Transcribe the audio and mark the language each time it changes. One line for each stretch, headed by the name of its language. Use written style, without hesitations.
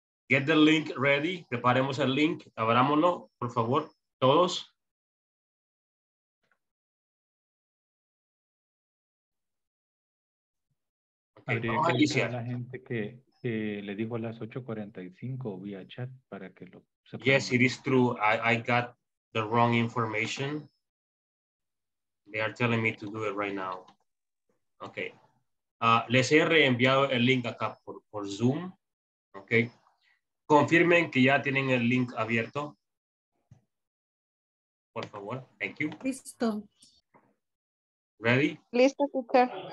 English: Get the link ready.
Spanish: Preparemos el link. Abrámoslo, por favor, todos. Okay, vamos a iniciar. La gente que le dijo a las 8:45 vía chat para que lo.
English: Yes, it is true. I got the wrong information. They are telling me to do it right now. Okay.
Spanish: Les he reenviado el link acá por Zoom. Okay. Confirmen que ya tienen el link abierto. Por favor.
English: Thank you.
Spanish: Listo.
English: Ready?
Spanish: Listo, teacher.